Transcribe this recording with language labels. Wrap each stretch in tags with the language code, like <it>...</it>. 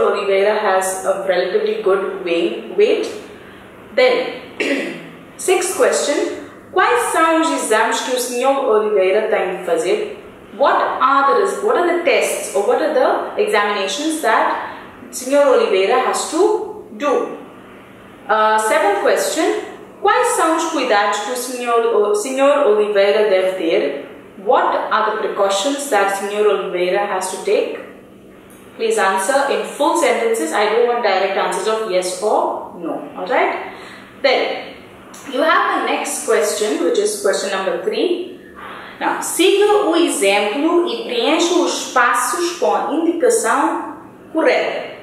<en>Oliveira has a relatively good weight? Then, sixth question,</en> <pt>quais são os exames que o Sr. Oliveira tem que fazer?</pt> <en>What are the tests or what are the examinations that Sr. Oliveira has to do? Seventh question,</en> <pt>quais são os cuidados que o Sr. Oliveira deve ter?</pt> <en>What are the precautions that Sr. Oliveira has to take? Please answer in full sentences. I don't want direct answers of yes or no. Alright? Then, you have the next question, which is question number 3. Now,</en> <pt>siga o exemplo e preencha os passos com a indicação correta.</pt>